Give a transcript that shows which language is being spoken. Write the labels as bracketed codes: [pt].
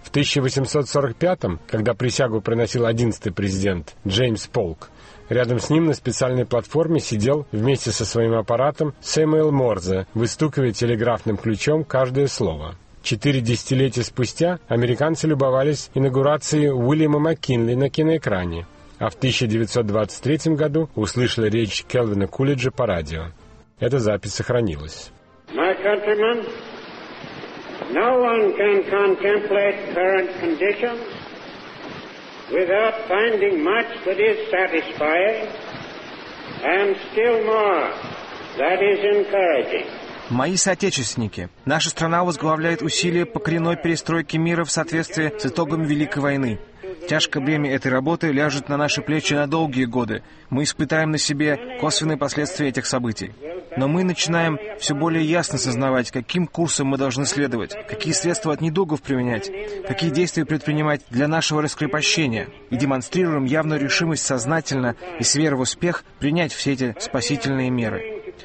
[ru] В 1845, когда присягу приносил 11-й президент Джеймс Полк, рядом с ним на специальной платформе сидел вместе со своим аппаратом Сэмюэл Морзе, выстукивая телеграфным ключом каждое слово. Четыре десятилетия спустя американцы любовались инаугурацией Уильяма Маккинли на киноэкране, а в 1923 году услышали речь Келвина Кулиджа по радио. Эта запись сохранилась. [en] My countrymen, no one can contemplate current conditions without finding much that is satisfying and still more that is encouraging. [ru] Мои соотечественники, наша страна возглавляет усилия по коренной перестройке мира в соответствии с итогами Великой войны. Тяжкое бремя этой работы ляжет на наши плечи на долгие годы. Мы испытаем на себе косвенные последствия этих событий. Но мы начинаем все более ясно сознавать, каким курсом мы должны следовать, какие средства от недугов применять, какие действия предпринимать для нашего раскрепощения, и демонстрируем явную решимость сознательно и с верой в успех принять все эти спасительные меры.